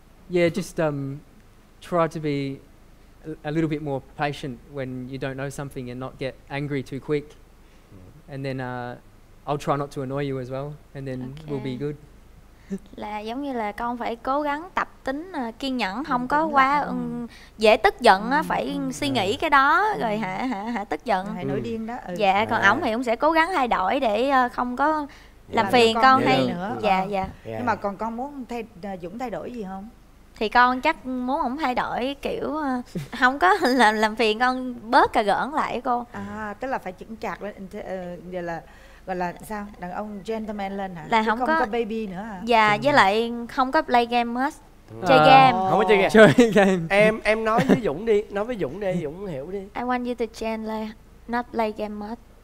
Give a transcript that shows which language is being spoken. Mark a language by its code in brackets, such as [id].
[en] Yeah, just try to be a little bit more patient when you don't know something and not get angry too quick. And then I'll try not to annoy you as well, and then okay. We'll be good. [vi] Là giống như là con phải cố gắng tập tính kiên nhẫn, không có quá dễ tức giận á, phải suy nghĩ cái đó rồi hả tức giận. Hay nổi điên đó. Dạ, còn ổng thì ông sẽ cố gắng thay đổi để không có làm phiền con hay nữa. Dạ, dạ. Nhưng mà còn con muốn thay Dũng thay đổi gì không? Thì con chắc muốn ổng thay đổi kiểu không có làm phiền con, bớt cà gỡn lại cô. À, tức là phải chững chạc lên, là gọi là sao, đàn ông gentleman lên hả? Là không có baby nữa hả? Dạ, với lại không có [en] play game [vi] hết. Chơi game. Không có chơi game. Chơi game. Em nói với Dũng đi, nói với Dũng đi, Dũng hiểu đi. [en] I want you to gently not play game much.